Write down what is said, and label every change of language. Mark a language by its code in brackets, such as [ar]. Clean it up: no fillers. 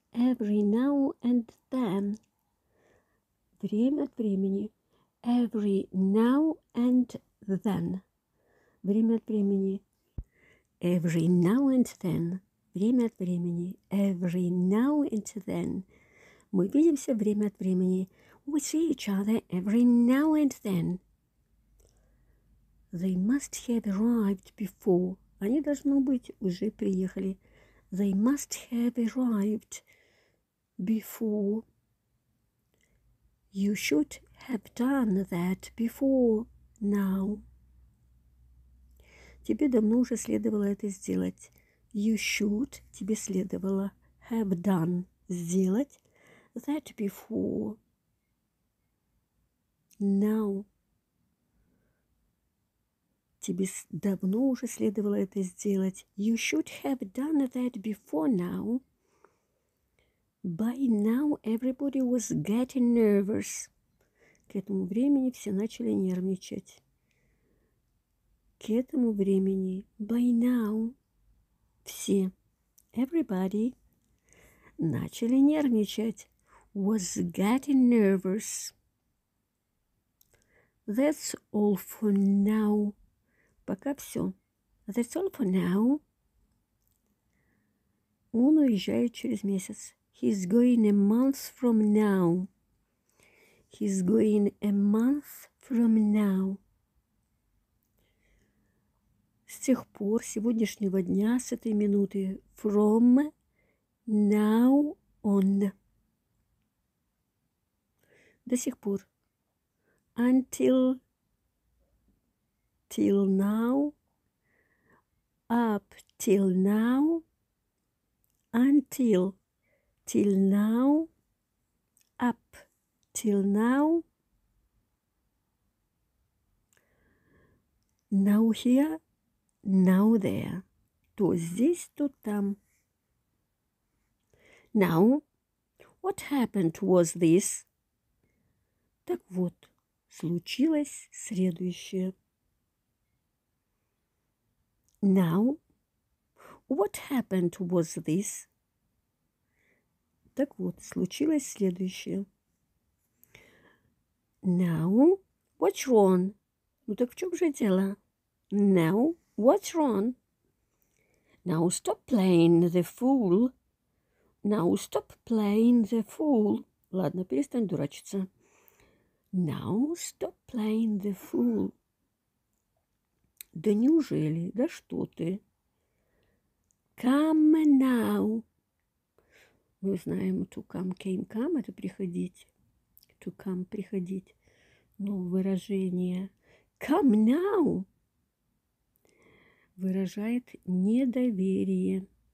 [en] Every now and then. [ru] Время от времени. [en] Every now and then. [ru] Время от времени. [en] Every now and then. [ru] Время от времени. [en] Every now and then. [ru] Мы видимся время от времени. [en] We see each other every now and then. They must have arrived before. [ru] Они, должно быть, уже приехали. [en] They must have arrived before. You should have done that before now. [ru] Тебе давно уже следовало это сделать. [en] You should, [ru] тебе следовало, [en] have done, [ru] сделать. [en] That before. Now. [ru] Тебе давно уже следовало это сделать. [en] You should have done that before now. By now everybody was getting nervous. [ru] К этому времени все начали нервничать. К этому времени. [en] By now. [ru] Все. [en] Everybody. [ru] Начали нервничать. [en] Was getting nervous. That's all for now. [ru] Пока все. [en] That's all for now. [ru] Он уезжает через месяц. [en] He's going a month from now. He's going a month from now. [ru] С тех пор, сегодняшнего дня, с этой минуты. [en] From now on. [ru] До сих пор. [en] Until. Till now. Up till now. Until. till now, up till now, now here, now there. [ru] То здесь, то там. [en] Now, what happened was this? [ru] Так вот, случилось следующее. [en] Now, what happened was this? [ru] Так вот, случилось следующее. [en] Now, what's wrong? [ru] Ну так в чем же дело? [en] Now, what's wrong? Now stop playing the fool. Now stop playing the fool. [ru] Ладно, перестань дурачиться. [en] Now stop playing the fool. [ru] Да неужели? Да что ты? [en] Come now. [ru] Мы знаем [en] to come, came, come. [ru] Это приходить. [en] To come, [ru] приходить. Но выражение [en] come now [ru] выражает недоверие.